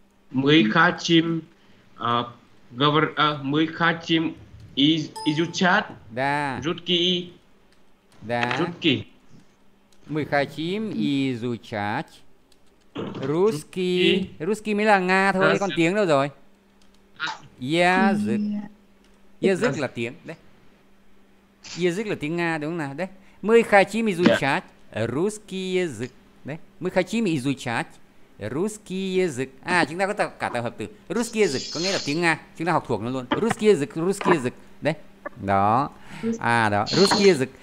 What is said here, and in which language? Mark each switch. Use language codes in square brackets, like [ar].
[ru] Мы хотим мы хотим изучать. Да. Русский. Да. Русский. Мы хотим изучать русский. [vi] Русский mới là Nga thôi, còn tiếng đâu rồi? [ru] Язык. [vi] Язык là tiếng đấy. Язык là tiếng Nga đúng không nào? Đấy. [ru] Мы хотим изучать русский язык. [vi] Đấy. [ru] Мы хотим изучать русский язык. [vi] А, chúng ta có cả tập hợp từ русский язык có nghĩa là tiếng Nga. Chúng ta học thuộc nó luôn. [ru] Русский язык. Đấy. Đó. À đó, русский язык.